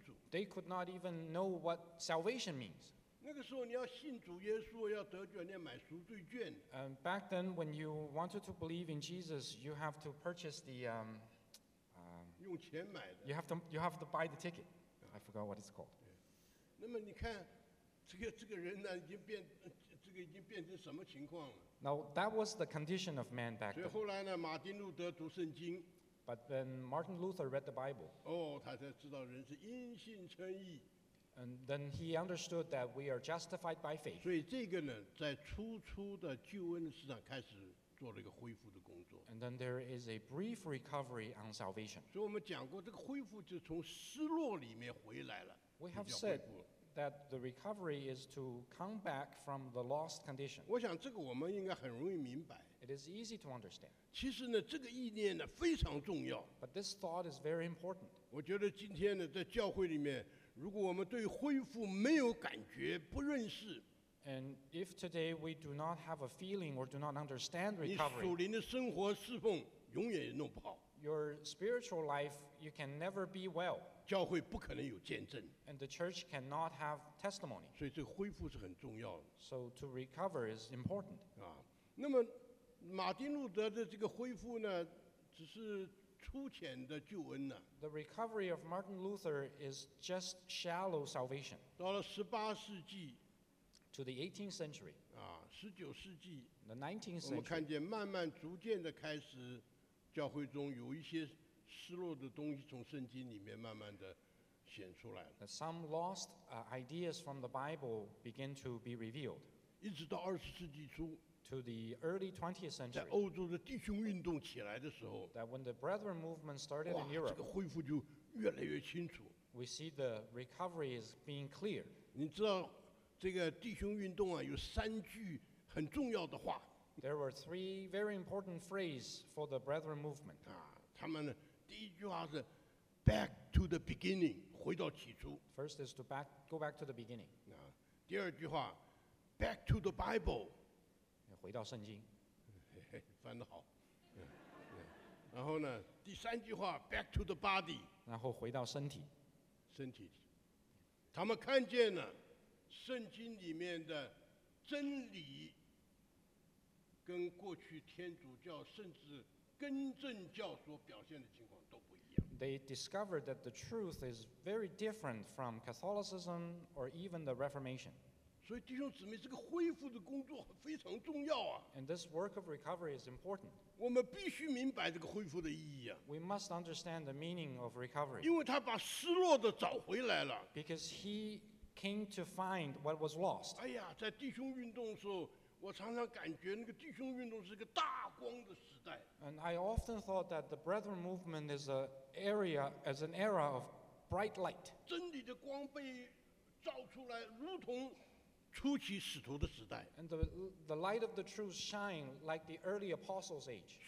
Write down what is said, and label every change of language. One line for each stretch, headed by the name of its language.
English: They could not even know what salvation means.
Chinese: 那个时候你要信主耶稣要得救，你要买赎罪券。
English: Back then, when you wanted to believe in Jesus, you have to purchase the
Chinese: 用钱买的。
English: You have to buy the ticket. I forgot what it's called.
Chinese: 那么你看，这个人呢，已经变成什么情况了
English: ？Now that was the condition of man back then.
Chinese: 所以后来呢，马丁路德读圣经。
English: But then Martin Luther read the Bible.
Chinese: 哦，他才知道人是因信称义。
English: And then he understood that we are justified by faith.
Chinese: 所以这个呢，在初初的救恩史上开始做了一个恢复的工作。
English: And then there is a brief recovery on salvation.
Chinese: 所以我们讲过，这个恢复就从失落里面回来了。
English: We have said that the recovery is to come back from the lost condition.
Chinese: 我想这个我们应该很容易明白。
English: It is easy to understand.
Chinese: 其实呢，这个意念呢非常重要。
English: But this thought is very important.
Chinese: 我觉得今天呢，在教会里面。如果我们对恢复没有感觉，不认识
English: ，and if today we do not have a feeling or do not understand recovery，
Chinese: 你属灵的生活侍奉永远也弄不好。
English: Your spiritual life you can never be well。
Chinese: 教会不可能有见证
English: ，and the church cannot have testimony。
Chinese: 所以这个恢复是很重要的。
English: So to recover is important。
Chinese: 啊，那么马丁路德的这个恢复呢，只是。粗浅的救恩呢、啊、
English: The recovery of Martin Luther is just shallow salvation.
Chinese: 到了十八世纪
English: ，to the 18th century.
Chinese: 啊，十九世纪
English: ，the 19th century.
Chinese: 我们看见慢慢逐渐的开始，教会中有一些失落的东西从圣经里面慢慢的显出来了。
English: Some lost ideas from the Bible begin to be revealed.
Chinese: 一直到二十世纪初。
English: To the early 20th century,
Chinese: 在欧洲的弟兄运动起来的时候
English: ，that when the brethren movement started in Europe,
Chinese: 这个恢复就越来越清楚。
English: We see the recovery is being clear.
Chinese: 你知道这个弟兄运动啊，有三句很重要的话。
English: There were three very important phrases for the brethren movement.
Chinese: 啊，他们第一句话是
English: back to the beginning，
Chinese: 回到起初。
English: First is to go back to the beginning.
Chinese: 啊，第二句话
English: back to the Bible。
Chinese: 回到圣经，翻得好。然后呢，第三句话 ，
English: back to the body。
Chinese: 然后回到身体，身体。他们看见了圣经里面的真理，跟过去天主教甚至根正教所表现的情况都不一样。
English: They discovered that the truth is very different from Catholicism or even the Reformation.
Chinese: 所以弟兄姊妹，这个恢复的工作非常重要啊。
English: And this work of recovery is important.
Chinese: 我们必须明白这个恢复的意义啊。
English: We must understand the meaning of recovery.
Chinese: 因为他把失落的找回来了。
English: Because he came to find what was lost.
Chinese: 哎呀，在弟兄运动的时候，我常常感觉那个弟兄运动是一个大光的时代。
English: And I often thought that the brethren movement is an era of bright light.
Chinese: 真理的光被照出来，如同初期使徒的时代
English: ，and the light of the truth shine like the early apostles' age.